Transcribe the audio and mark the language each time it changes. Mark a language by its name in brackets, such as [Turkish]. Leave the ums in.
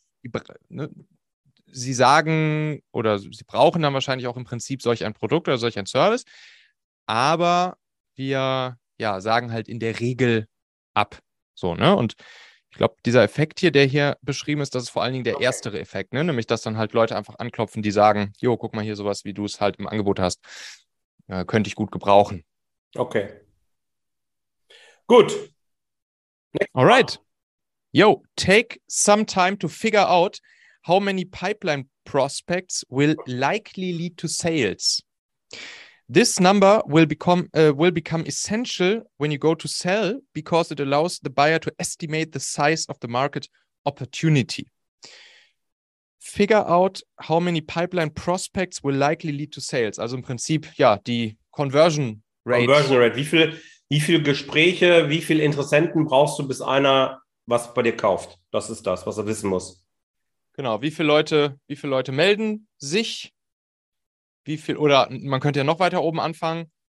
[German] die, br- ne, sie sagen oder sie brauchen dann wahrscheinlich auch im Prinzip solch ein Produkt oder solch ein Service, aber wir ja, sagen halt in der Regel ab. So, ne? Und ich glaube, dieser Effekt hier, der hier beschrieben ist, das ist vor allen Dingen der erstere Effekt, ne? Nämlich, dass dann halt Leute einfach anklopfen, die sagen, jo, guck mal hier sowas, wie du es halt im Angebot hast, äh, könnte ich gut gebrauchen. okay. Gut, [English] All right. Yo, take some time to figure out how many pipeline prospects will likely lead to sales. This number will become uh, will become essential when you go to sell because it allows the buyer to estimate the size of the market opportunity. Figure out how many pipeline prospects will likely lead to sales. [German] Also im Prinzip ja die Conversion Rate. Conversion Rate. Wie viele wie viel Gespräche, wie viele Interessenten brauchst du, bis einer was bei dir kauft? Das ist das, was er wissen muss. Genau, wie viele Leute, wie viele Leute melden sich? Wie viel, oder man könnte ja noch weiter oben anfangen.